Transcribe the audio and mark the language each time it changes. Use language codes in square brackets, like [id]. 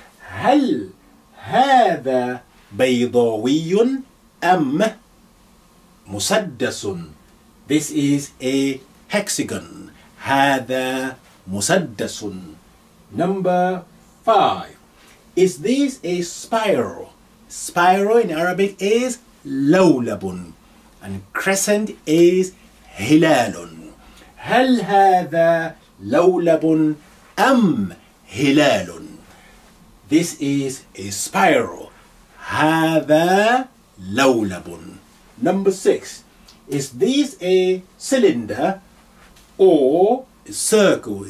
[ar] هل هذا بيضاوي أم مسدس؟ [en] This is a hexagon. [ar] هذا مسدس. [en] Number 5. Is this a spiral? Spiral in Arabic is lawlabun, and crescent is hilalun. [ar] هل هذا لولب أم هلال؟ [en] This is a spiral. [ar] هذا لولب. [en] Number 6. Is this a cylinder or a circle?